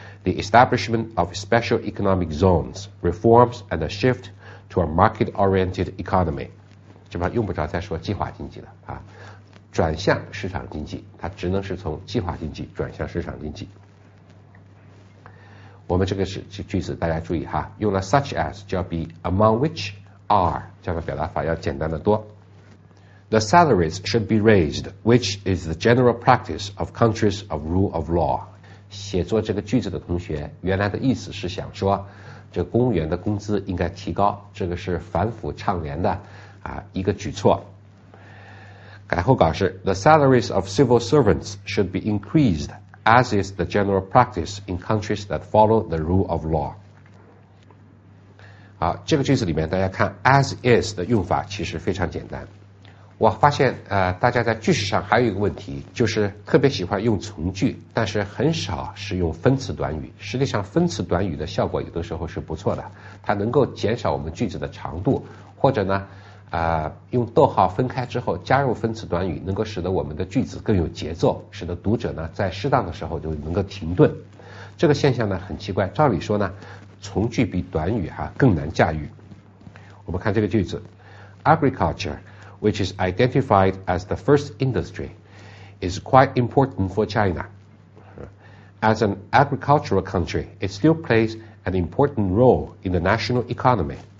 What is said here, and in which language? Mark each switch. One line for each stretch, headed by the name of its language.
English: The establishment of special economic zones, reforms and a shift to a market-oriented economy,
Chinese: 基本上用不着再说计划经济了啊，转向市场经济，它只能是从计划经济转向市场经济。我们这个是句子，大家注意哈，用了 such as 就要比 among which are 这个表达法要简单的多。
English: The salaries should be raised, which is the general practice of countries of rule of law。
Chinese: 写作这个句子的同学，原来的意思是想说，这公务员的工资应该提高，这个是反腐倡廉的。一个举措。改后稿是
English: The salaries of civil servants should be increased, as is the general practice in countries that follow the rule of law。
Chinese: 好，这个句子里面大家看 as is 的用法其实非常简单。我发现大家在句式上还有一个问题，就是特别喜欢用从句，但是很少是用分词短语。实际上分词短语的效果有的时候是不错的，它能够减少我们句子的长度，或者呢用逗号分开之后加入分词短语，能够使得我们的句子更有节奏，使得读者呢在适当的时候就能够停顿。这个现象呢很奇怪，照理说呢从句比短语哈更难驾驭。我们看这个句子，
English: Agriculture, which is identified as the first industry, is quite important for China. As an agricultural country, it still plays an important role in the national economy.